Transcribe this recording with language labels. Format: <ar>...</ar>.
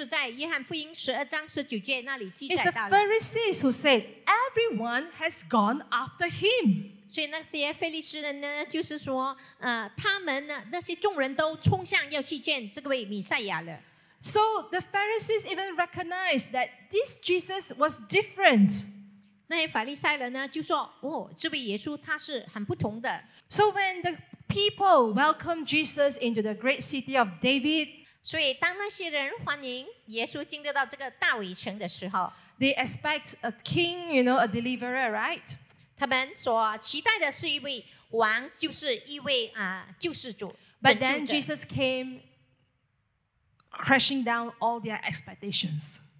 <zh>是谁告诉我们这些呢？就是在约翰福音十二章十九节那里记载到了。</zh> <en>It's the Pharisees who said everyone has gone after him.</en> <zh>所以那些腓力士人呢，就是说，他们呢，那些众人都冲向要去见这位弥赛亚了。</zh> <en>So the Pharisees even recognized that this Jesus was different.</en> <zh>那些法利赛人呢，就说，哦，这位耶稣他是很不同的。</zh> <en>So when the people welcomed Jesus into the great city of David.</en> <zh>所以当那些人欢迎耶稣进入到这个大卫城的时候,</zh> <en>they expect a king, you know, a deliverer, right?</en> <zh>他们所期待的是一位王，就是一位救世主。</zh> <en>But then Jesus came crashing down all their expectations.</en>